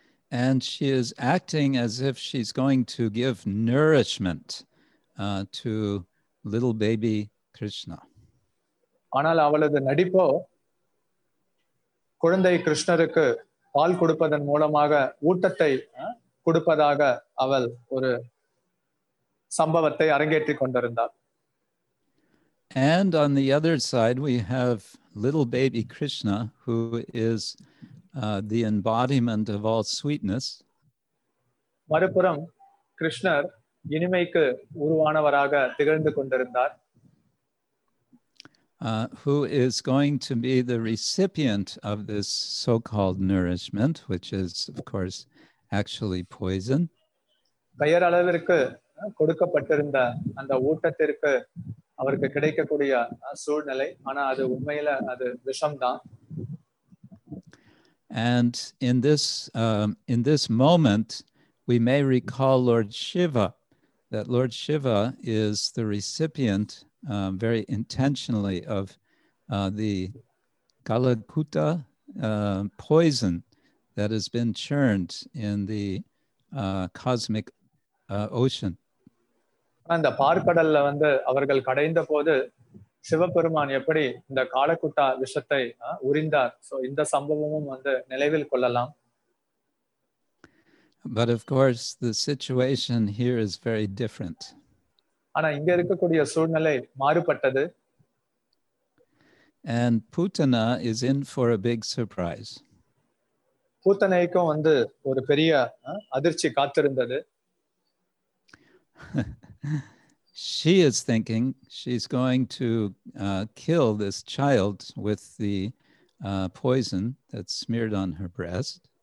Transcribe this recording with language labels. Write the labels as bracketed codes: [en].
[en] And she is acting as if she's going to give nourishment to little baby Krishna. [ta] ஆனால் அவளது நடிப்போ குழந்தை கிருஷ்ணருக்கு பால் கொடுப்பதன் மூலமாக ஊட்டத்தை கொடுப்பதாக அவள் ஒரு சம்பவத்தை அரங்கேற்றி கொண்டிருந்தாள். [en] And on the other side, we have little baby Krishna, who is the embodiment of all sweetness. [ta] மறுபுறம் கிருஷ்ணர் இனிமைக்கு உருவானவராக திகழ்ந்து கொண்டிருந்தார். [en] Who is going to be the recipient of this so-called nourishment, which is, of course, actually poison. [ta] பெயர் அளவிற்கு கொடுக்கப்பட்டிருந்த அந்த ஊட்டத்திற்கு அவருக்கு கிடைக்கக்கூடிய சூழ்நிலை, ஆனா அது உண்மையில அது விஷம்தான். [en] And in this moment we may recall Lord Shiva, that Lord Shiva is the recipient very intentionally of the Kalakuta poison that has been churned in the cosmic ocean. [ta] அந்த பார்க்கடல்ல வந்து அவர்கள் கடைந்த போது சிவபெருமான் எப்படி இந்த காலக்குட்டா விஷத்தை உறிந்தார், சோ இந்த சம்பவமும் வந்து நினைவில் கொள்ளலாம். [en] But of course the situation here is very different. [ta] ஆனா இங்க இருக்கக்கூடிய சூழ்நிலை மாறுபட்டது. [en] And Putana is in for a big surprise. [ta] Putanaikku vandu oru periya adirchi kaathirundathu. [en] She is thinking she's going to kill this child with the poison that's smeared on her breast.